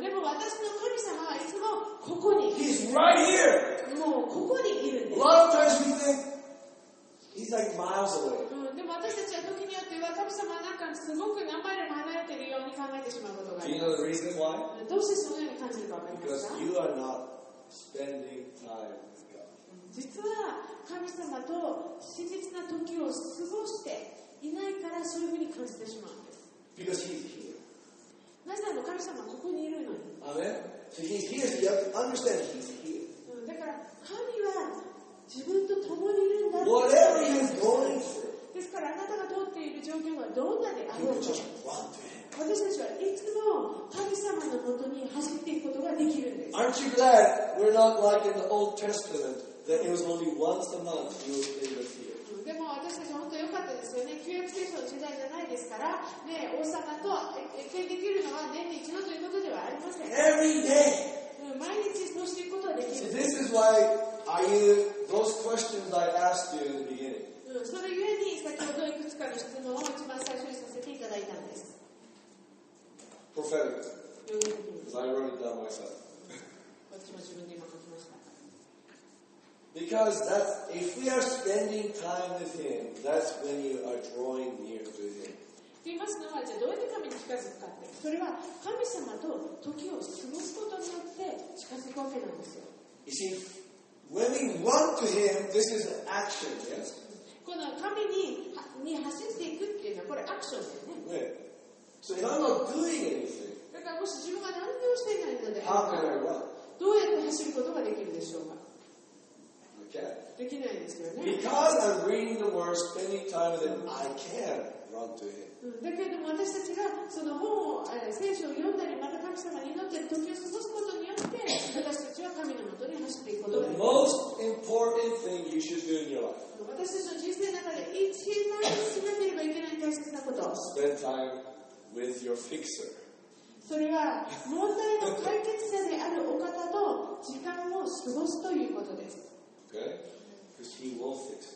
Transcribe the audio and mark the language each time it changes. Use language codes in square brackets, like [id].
[ja] でも私の神様はいつもここに。 [en] He's right here. [ja] もうここにいるんです。 [en] A lot of times we think he's like miles away. [ja] でも私たちは時によっては神様なんかすごく何マイルも離れているように考えてしまうことがあります。 [en] Do you know the reason why? [ja] どうしてそのように感じるかわかりますか? [en] Because you are not spending time. [ja] 実は神様と親密な時を過ごしていないからそういうふうに感じてしまうんです。 [en] Because he's here. [ja] なぜなら神様はここにいるのに。 [en] Amen. So he's here. So you have to understand he's here. [ja] だから神は自分と共にいるんだ。 [en] Whatever you're going through. [ja] ですからあなたが通っている状況はどんなであろうか。 [en] You just want [ja] to. 私たちはいつも神様のもとに走っていくことができるんです。 [en] Aren't you too glad we're not like in the Old Testament that it was only once a month you would be with you. [ja] でも私たちは本当良かったですよね。旧約聖書の時代じゃないですから、ね、王様と謁見できるのは年に一度ということではありません。 [en] Every day. [ja] 毎日そうしていくことはできる。 [en] So this is why are you, those questions I asked you in the beginning. [ja] それゆえに先ほどいくつかの質問を一番最初にさせていただいたんです。 [en] Prophetic. Because I wrote it down myself. [ja] 私も自分で今書きました。 [en] Because that's, if we are spending time with Him, that's when you are drawing near to Him. [ja] と言いますのは、じゃあどうやって神に近づくかって、それは神様と時を過ごすことによって近づくわけなんですよ。 [en] You see, when we run to Him, this is an action, yes? [ja] この神に、走っていくっていうのはこれアクションだよね。 [en] ね。So if I'm not doing anything, [ja] だからもし自分が何でもしていないので、 [en] how can I run? [ja] どうやって走ることができるでしょうか。できないんですよね。 [en] Because I'm reading the word, spending time with Him, I can run to Him. [ja] だけども私たちがその本を聖書を読んだりまた神様に祈って時を過ごすことによって私たちは神のもとに走っていくことができる。 [en] The most important thing you should do in your life. [ja] 私たちの人生の中で一番しなければいけない大切なこと。 [en] Spend time with your fixer. [ja] それは問題の解決者であるお方と時間を過ごすということです。 [en] Because He will fix